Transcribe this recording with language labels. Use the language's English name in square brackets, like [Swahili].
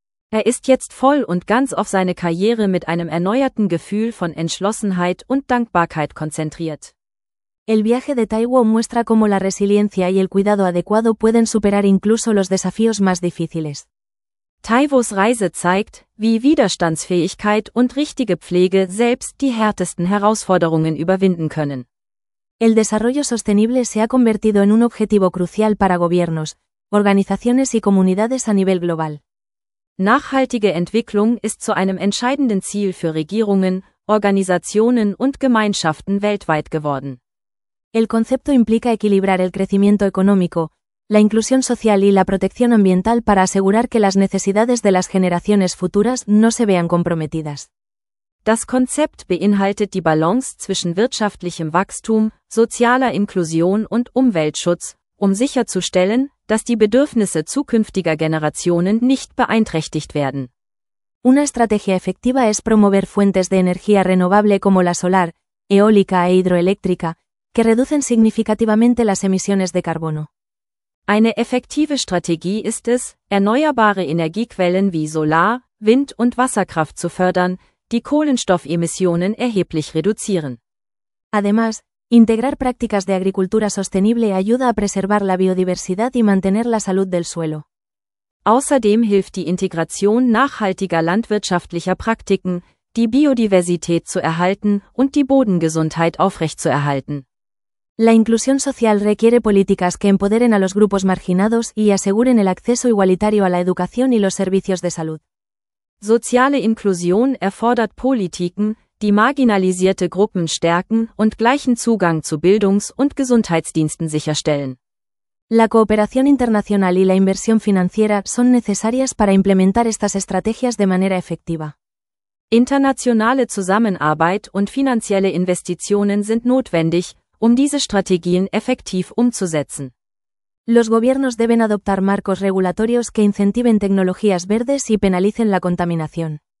[German] Er ist jetzt voll und ganz auf seine Karriere mit einem erneuerten Gefühl von Entschlossenheit und Dankbarkeit konzentriert. [Spanish] El viaje de Taiwo muestra cómo la resiliencia y el cuidado adecuado pueden superar incluso los desafíos más difíciles. [German] Taiwos Reise zeigt, wie Widerstandsfähigkeit und richtige Pflege selbst die härtesten Herausforderungen überwinden können. [Spanish] El desarrollo sostenible se ha convertido en un objetivo crucial para gobiernos, organizaciones y comunidades a nivel global. [German] Nachhaltige Entwicklung ist zu einem entscheidenden Ziel für Regierungen, Organisationen und Gemeinschaften weltweit geworden. [Spanish] El concepto implica equilibrar el crecimiento económico, la inclusión social y la protección ambiental para asegurar que las necesidades de las generaciones futuras no se vean comprometidas. [German] Das Konzept beinhaltet die Balance zwischen wirtschaftlichem Wachstum, sozialer Inklusion und Umweltschutz, um sicherzustellen, dass die Bedürfnisse zukünftiger Generationen nicht beeinträchtigt werden. [Spanish] Una estrategia efectiva es promover fuentes de energía renovable como la solar, eólica e hidroeléctrica, que reducen significativamente las emisiones de carbono. [German] Eine effektive Strategie ist es, erneuerbare Energiequellen wie Solar, Wind und Wasserkraft zu fördern, die Kohlenstoffemissionen erheblich reduzieren. [Spanish] Además, integrar prácticas de agricultura sostenible ayuda a preservar la biodiversidad y mantener la salud del suelo. [German] Außerdem hilft die Integration nachhaltiger landwirtschaftlicher Praktiken, die Biodiversität zu erhalten und die Bodengesundheit aufrechtzuerhalten. [Spanish] La inclusión social requiere políticas que empoderen a los grupos marginados y aseguren el acceso igualitario a la educación y los servicios de salud. [German] Soziale Inklusion erfordert Politiken, die marginalisierte Gruppen stärken und gleichen Zugang zu Bildungs- und Gesundheitsdiensten sicherstellen. [Spanish] La cooperación internacional y la inversión financiera son necesarias para implementar estas estrategias de manera efectiva. [German] Internationale Zusammenarbeit und finanzielle Investitionen sind notwendig, um diese Strategien effektiv umzusetzen. [Spanish] Los gobiernos deben adoptar marcos regulatorios que incentiven tecnologías verdes y penalicen la contaminación.